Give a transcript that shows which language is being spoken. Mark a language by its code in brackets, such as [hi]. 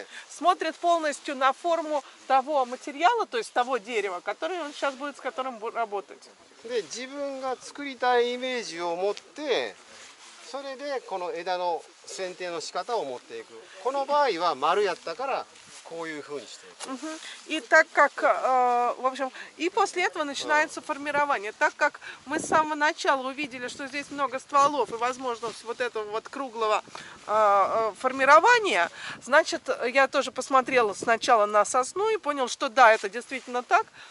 [ru] Смотрит полностью на форму того материала, то есть того дерева, который он сейчас будет, с которым будет работать. [ja] で自分が作りたいイメージを持って、それでこの枝の剪定の仕方を持っていく。この場合は丸やったからこういうふうにしていく。 [ru] И так как, в общем, и после этого начинается формирование. Так как мы с самого начала увидели, что здесь много стволов и возможность вот этого вот круглого формирования, значит, я тоже посмотрела сначала на сосну и понял, что да, это действительно так.